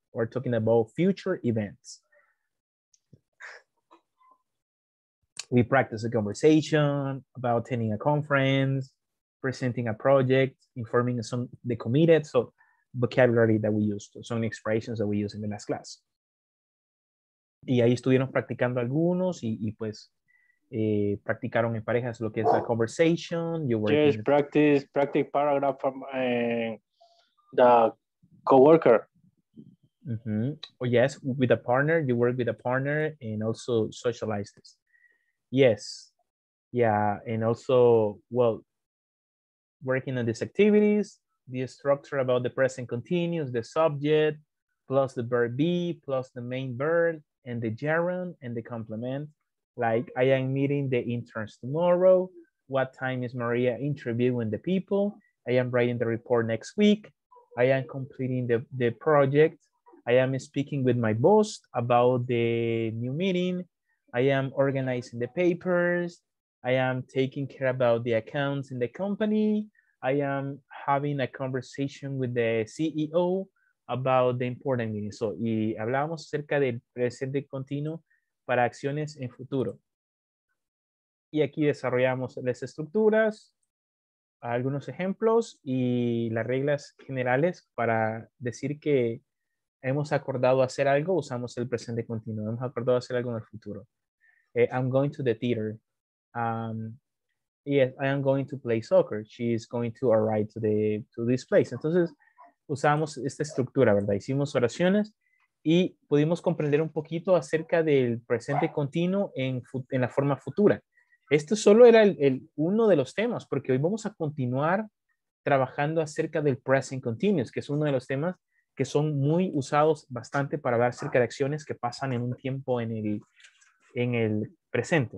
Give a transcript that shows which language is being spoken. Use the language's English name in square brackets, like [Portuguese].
[English] We're talking about future events. We practice a conversation about attending a conference, presenting a project, informing some the committed, so vocabulary that we use, some expressions that we use in the last class. [Spanish] Y ahí estuvieron practicando algunos y pues practicaron en parejas lo que es la conversation. [English] You were just practice paragraph from the coworker. Mm-hmm. Oh, yes, with a partner, you work with a partner and also socialize this. Yes, yeah, and also, well, working on these activities, the structure about the present continuous, the subject, plus the verb be, plus the main verb, and the gerund, and the complement. Like, I am meeting the interns tomorrow. What time is Maria interviewing the people? I am writing the report next week. I am completing the project. I am speaking with my boss about the new meeting. I am organizing the papers. I am taking care about the accounts in the company. I am having a conversation with the CEO about the important meeting. [Spanish] So, y hablamos acerca del presente continuo para acciones en futuro. Y aquí desarrollamos las estructuras, algunos ejemplos y las reglas generales para decir que hemos acordado hacer algo, usamos el presente continuo. Hemos acordado hacer algo en el futuro. [English] I'm going to the theater. Yes, I am going to play soccer. She is going to arrive to this place. [Spanish] Entonces, usamos esta estructura, ¿verdad? Hicimos oraciones y pudimos comprender un poquito acerca del presente continuo en la forma futura. Esto solo era el uno de los temas, porque hoy vamos a continuar trabajando acerca del present continuous, que es uno de los temas que son muy usados bastante para hablar acerca de acciones que pasan en un tiempo en el presente.